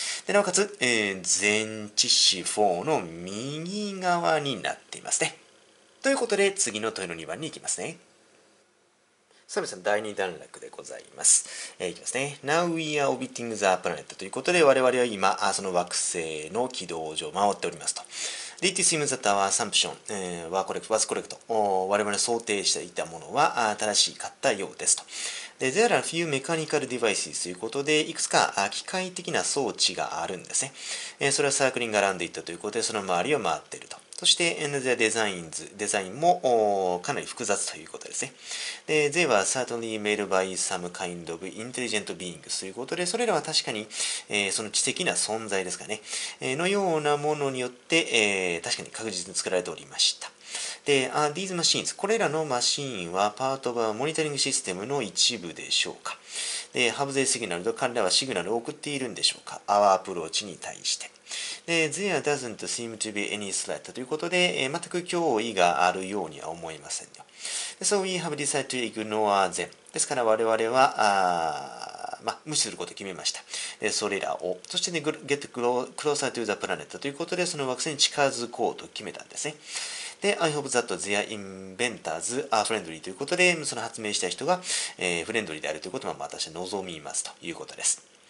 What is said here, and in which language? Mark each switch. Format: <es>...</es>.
<ja>で、なおかつ、前置詞4の右側になっていますね。ということで、次の問いの2番に行きますね。さあ皆さん、第2段落でございます。いきますね。</ja> <en>Now we are orbiting the planet</en> <ja>ということで、我々は今、その惑星の軌道上を回っておりますと。</ja> <en>It seems that our assumption was correct.</en> <ja>我々の想定していたものは正しかったようですと。で、</ja> <en>there are a few mechanical devices</en> <ja>ということで、いくつか機械的な装置があるんですね。それは</ja> <en>サークリングアラウンドイット</en> <ja>ということで、その周りを回っていると。そして N The Designs デザインもかなり複雑ということですね。で、</ja> <en>They were certainly made by some kind of intelligent beings</en> <ja>ということで、それらは確かに、その知的な存在ですかね、のようなものによって、確かに確実に作られておりました。</ja> <en>で、These machines</en> <ja>これらのマシンは</ja> <en>part of a monitoring system</en> <ja>の一部でしょうか。で、</ja> <en>Have they signaled</en> <ja>彼らはシグナルを送っているんでしょうか。</ja> <en>Our approach</en> <ja>に対して。で、</ja> <en>There doesn't seem to be any threat</en> <ja>ということで、全く脅威があるようには思いませんよ。</ja> <en>So we have decided to ignore them.</en> <ja>ですから我々は、無視することを決めました。で、それらを。そして、ね、</ja> <en>get closer to the planet</en> <ja>ということで、その惑星に近づこうと決めたんですね。で、</ja> <en>I hope that their inventors are friendly</en> <ja>ということで、その発明した人が、フレンドリーであるということも私は望みますということです。</ja>